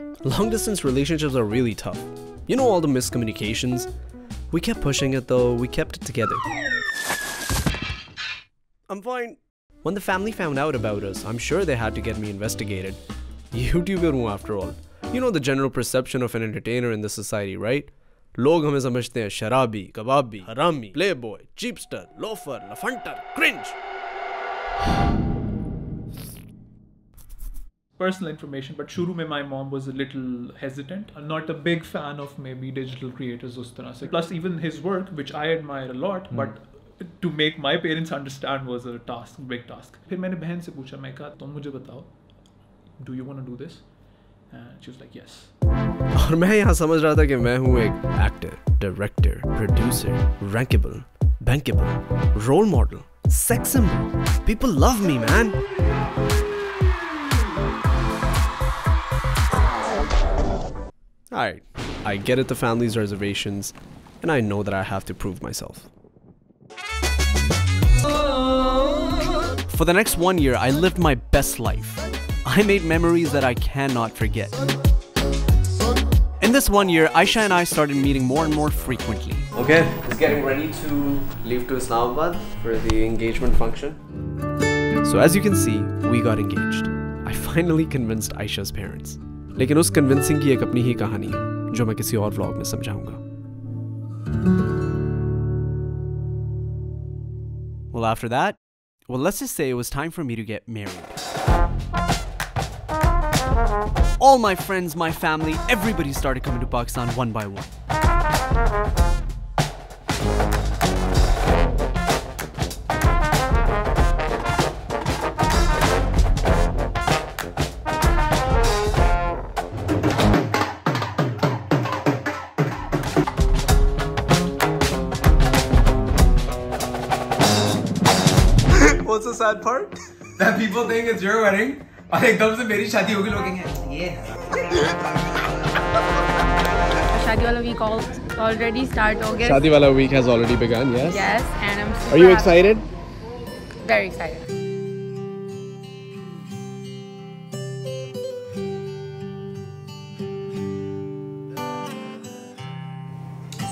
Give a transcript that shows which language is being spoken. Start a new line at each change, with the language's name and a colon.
English: Long distance relationships are really tough. You know all the miscommunications? We kept pushing it though, we kept it together. I'm fine. When the family found out about us, I'm sure they had to get me investigated. YouTuber
Urdu: ہوں
English: after all. You know the general perception of an entertainer in this society, right?
Urdu: لوگ ہمیں سمجھتے ہیں شرابی، کبابی، حرامی،
English: playboy, cheapster, loafer,
Urdu: لفنٹر،
English: cringe. Personal information, but
Urdu: shuru mein
English: my mom was a little hesitant. I'm not a big fan of maybe digital creators
Urdu: us tarah se.
English: Plus even his work, which I admire a lot, but to make my parents understand was a task, big task.
Urdu: Phir maine behan se pucha, main kaha tum mujhe batao,
English: do you want to do this? And she was like yes.
Urdu: اور میں یہاں سمجھ رہا تھا کہ میں ہوں ایک
English: actor, director, producer, rankable, bankable, role model, sex symbol. People love me, man. All right, I get it, the family's reservations, and I know that I have to prove myself. For the next 1 year, I lived my best life. I made memories that I cannot forget. In this 1 year, Aisha and I started meeting more and more frequently. Okay, he's getting ready to leave to Islamabad for the engagement function. So as you can see, we got engaged. I finally convinced Aisha's parents.
Urdu: لیکن اس convincing کی ایک اپنی ہی کہانی ہے، جو میں کسی اور vlog میں سمجھاؤں گا.
English: Well, after that, well, let's just say it was time for me to get married. All my friends, my family, everybody started coming to Pakistan one by one. What's the sad part? That people think it's your wedding.
Urdu: और एकदम से मेरी शादी होगी लोग शादी वाला
English: week already start
Urdu: हो गया शादी वाला
English: week has already began yes yes and I am so are you excited very excited